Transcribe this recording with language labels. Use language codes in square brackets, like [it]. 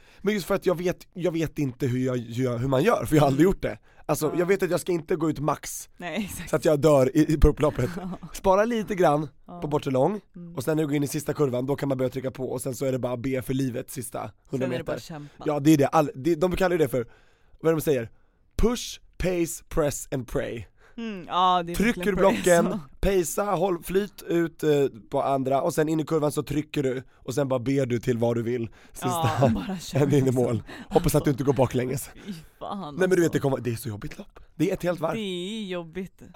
[sv] Men just för att jag vet inte hur man gör, för jag har aldrig gjort det. Alltså, jag vet att jag ska inte gå ut max. Nej, exakt. Så att jag dör i på upploppet. Spara lite grann på bortre lång. Mm. Och sen när jag går in i sista kurvan, då kan man börja trycka på. Och sen så är det bara be för livet sista 100 meter. Sen är det bara kämpa. Ja, det är det. De kallar ju det för, vad de säger? [en] Push, pace, press and pray. [sv] Mm, ah, det trycker du blocken, pejsa, håll flyt ut på andra och sen in i kurvan så trycker du och sen bara ber du till vad du vill sista en in i mål. Alltså. Hoppas att du inte går baklänges. Nej, men du vet, det är så jobbigt lopp. Det är ett helt varv. Det är jobbigt.